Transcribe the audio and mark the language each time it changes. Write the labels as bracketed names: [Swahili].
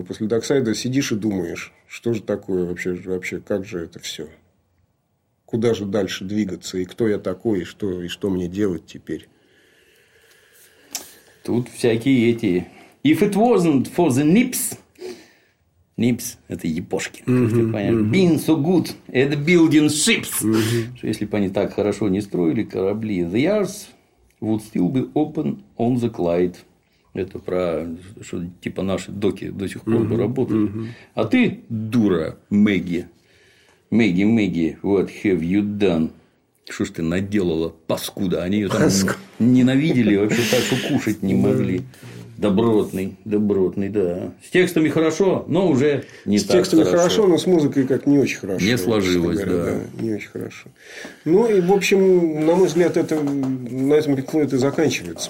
[Russian] После Доксайда сидишь и думаешь, что же такое вообще, как же это все? Куда же дальше двигаться? И кто я такой? И что мне делать теперь? Тут всякие эти... [English] If it wasn't for the nips... [Russian] Nips – это епошки. [English] Being so good at building ships. [Russian] Что если бы они так хорошо не строили корабли, [English] the yards... Would still be open on the Clyde. [Russian] Это про что типа наши доки до сих пор бы работают. А ты, дура, Мэгги. [English] Мэгги, what have you done? [Russian] Что ж ты наделала, паскуда? Они ее там ненавидели, вообще так и кушать не могли. Добротный, да. С текстами хорошо, но уже не с так с текстами хорошо, но с музыкой как не очень хорошо. Не сложилось, говоря, да. Не очень хорошо. Ну, и, в общем, на мой взгляд, это на этом Pink Floyd и заканчивается.